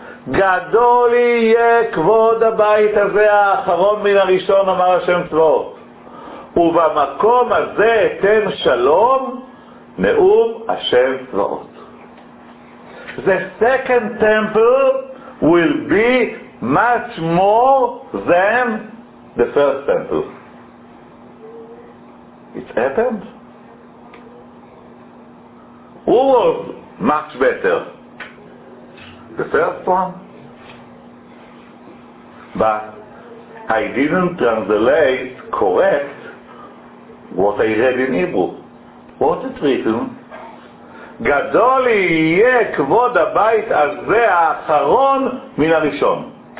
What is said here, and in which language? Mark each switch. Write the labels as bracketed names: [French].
[Hebrew] גדול יהיה כבוד הבית הזה האחרון מן הראשון, אמר השם צבאות. ובמקום הזה אתן שלום, נאום השם צבאות. [English] The second temple will be much more than the first temple. It happened. Who was much better? The first one. But I didn't translate correct what I read in Hebrew. What is written? [Hebrew] גדול יהיה כבוד הבית הזה האחרון מן הראשון.